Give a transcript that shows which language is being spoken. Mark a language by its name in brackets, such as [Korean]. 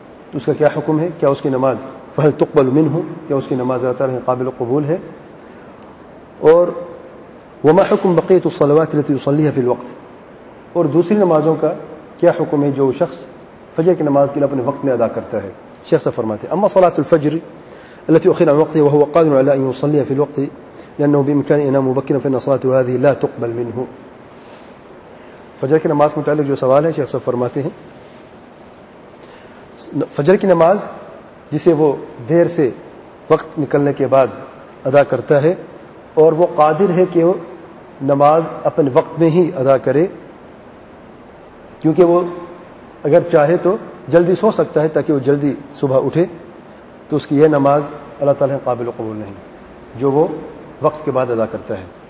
[Urdu] تو اس کا کیا حکم ہے, کیا اس کی نماز [Arabic] فہل تقبل منہ, [Urdu] کیا اس کی نماز اللہ تعالیٰ قابل قبول ہے, اور [Arabic] وما حکم بقیت الصلوات التي يصليها في الوقت, [Urdu] اور دوسری نمازوں کا کیا حکم ہے جو شخص فجر کی نماز کے لیے اپنے وقت میں ادا کرتا ہے. شیخ صاحب فرماتے ہیں [Arabic] اما صلاۃ الفجر التي اخر عن وقتها وهو قادر على ان يصليها في الوقت لانه بامكان ينام مبكرا فان صلاته هذه لا تقبل منه. [Urdu] فجر کی نماز کے متعلق جو سوال ہے شیخ صاحب فرماتے ہیں فجر کی نماز جسے وہ دیر سے وقت نکلنے کے بعد ادا کرتا ہے اور وہ قادر ہے کہ وہ نماز اپنے وقت میں ہی ادا کرے, کیونکہ وہ اگر چاہے تو جلدی سو سکتا ہے تاکہ وہ جلدی صبح اٹھے, تو اس کی یہ نماز اللہ تعالیٰ قابل قبول نہیں جو وہ وقت کے بعد ادا کرتا ہے.